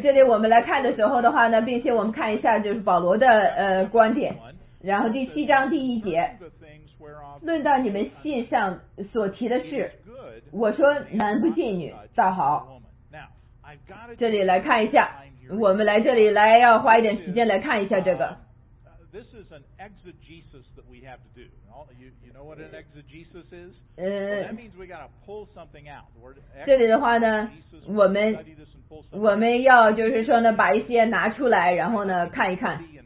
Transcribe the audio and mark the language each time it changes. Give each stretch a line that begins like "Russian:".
Chinese: 这里我们来看的时候的话呢，并且我们看一下就是保罗的观点，然后第七章第一节，论到你们信上所提的事，我说男不近女，倒好。这里来看一下，我们来这里来要花一点时间来看一下这个。
English: This is an exegesis that we have to do. You know what an exegesis is? Well, that means we got to pull something out.
Chinese: 这里的话呢，我们要就是说呢，把一些拿出来，然后呢看一看。